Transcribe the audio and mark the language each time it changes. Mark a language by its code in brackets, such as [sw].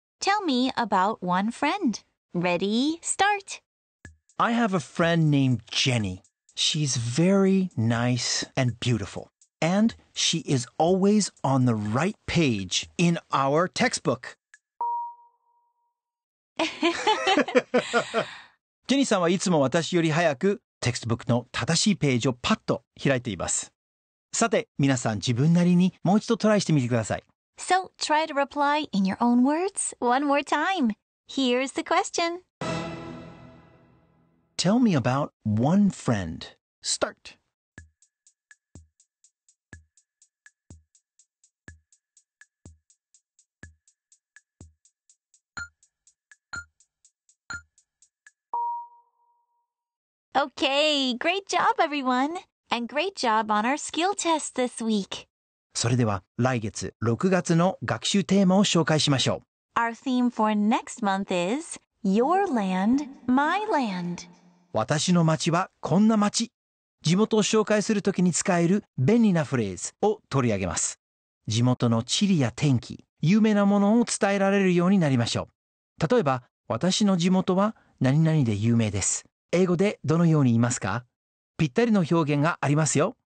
[en] Tell me about one friend. Ready, start. I have a friend named Jenny. She's very nice and beautiful. And she is always on the right page in our textbook. [ja] ジェニーさんはいつも私より早くテキストブックの正しいページをパッと開いています。さて、皆さん自分なりにもう一度トライしてみてください。 [en] So, try to reply in your own words one more time. Here's the question. Tell me about one friend. Start. Okay, great job, everyone. And great job on our skill test this week. [ja] それでは来月6月の学習テーマを紹介しましょう。 [en] Our theme for next month is Your Land, My Land. [ja] 私の町はこんな町。地元を紹介するときに使える便利なフレーズを取り上げます。地元の地理や天気、有名なものを伝えられるようになりましょう。例えば、私の地元は何々で有名です。英語でどのように言いますか？ぴったりの表現がありますよ。